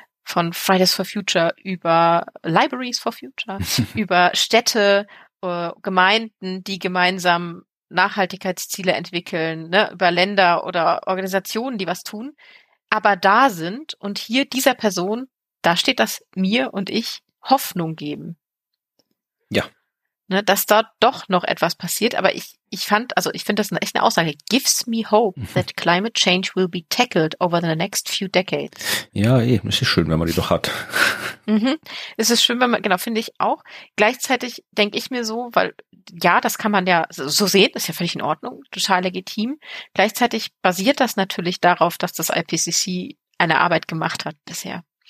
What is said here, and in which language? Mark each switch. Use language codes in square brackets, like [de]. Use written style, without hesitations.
[de] von Fridays for Future über Libraries for Future, über Städte, Gemeinden, die gemeinsam Nachhaltigkeitsziele entwickeln, ne, über Länder oder Organisationen, die was tun, aber da sind und hier dieser Person, da steht das mir und ich Hoffnung geben. Ja. Ne, dass dort doch noch etwas passiert, aber ich finde das echt eine Aussage. [en] Gives me hope that climate change will be tackled over the next few decades. [de] Ja, es ist schön, wenn man die doch hat. Es ist schön, wenn man, genau, finde ich auch. Gleichzeitig denke ich mir so, weil, ja, das kann man ja so sehen, ist ja völlig in Ordnung, total legitim. Gleichzeitig basiert das natürlich darauf, dass das IPCC eine Arbeit gemacht hat bisher.